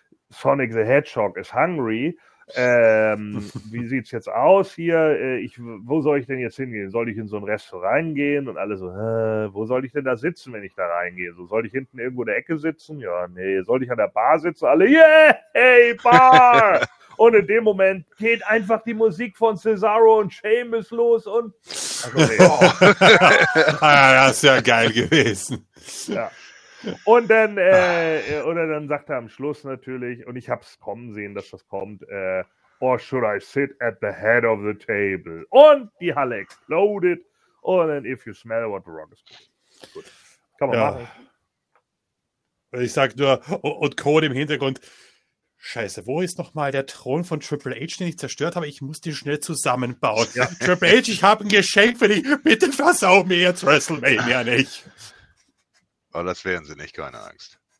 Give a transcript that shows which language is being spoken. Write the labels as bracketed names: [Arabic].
[English] Sonic the Hedgehog is hungry, [German] wie sieht's jetzt aus hier, wo soll ich denn jetzt hingehen, soll ich in so ein Restaurant gehen und alle so, wo soll ich denn da sitzen, wenn ich da reingehe, so soll ich hinten irgendwo in der Ecke sitzen, ja, nee, soll ich an der Bar sitzen, alle, yeah, hey, Bar, und in dem Moment geht einfach die Musik von Cesaro und Sheamus los und, ach, okay. Oh. Ah, das ist ja geil gewesen, ja. Und dann, oder dann sagt er am Schluss natürlich, und ich habe es kommen sehen, dass das kommt, [English] or should I sit at the head of the table? [German] Und die Halle exploded. Und dann, [English] if you smell what the rock is doing. [German] Gut. Kann man machen. Ich sag nur, und Code im Hintergrund, scheiße, wo ist nochmal der Thron von Triple H, den ich zerstört habe? Ich muss den schnell zusammenbauen. Ja. Triple H, ich habe ein Geschenk für dich. Bitte versau mir jetzt WrestleMania nicht. Aber das wären sie nicht, keine Angst.